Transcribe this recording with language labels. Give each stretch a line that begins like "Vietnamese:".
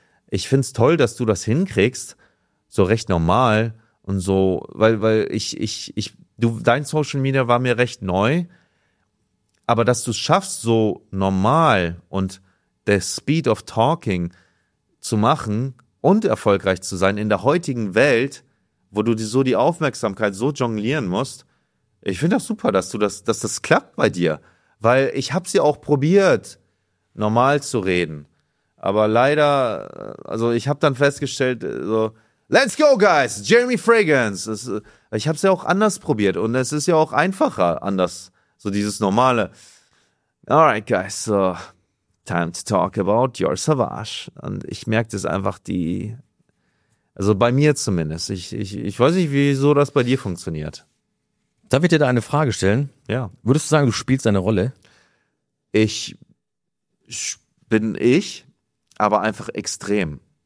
German: Ich find's toll, dass du das hinkriegst, so recht normal und so, weil dein Social Media war mir recht neu, aber dass du es schaffst, so normal und der Speed of Talking zu machen und erfolgreich zu sein in der heutigen Welt, wo du so die Aufmerksamkeit so jonglieren musst, ich finde das super, dass das klappt bei dir, weil ich hab's ja auch probiert, normal zu reden. Aber leider, also ich habe dann festgestellt, so,
English: let's go guys,
German: Jeremy Fragrance. Ich habe es ja auch anders probiert und es ist ja auch einfacher anders, so dieses normale.
English: Alright guys, so, time to talk about your Savage.
German: Und ich merke das einfach, also bei mir zumindest. Ich weiß nicht, wieso das bei dir funktioniert. Darf ich dir da eine Frage stellen? Ja. Würdest du sagen, du spielst eine Rolle? Ich bin ich. Aber einfach extrem.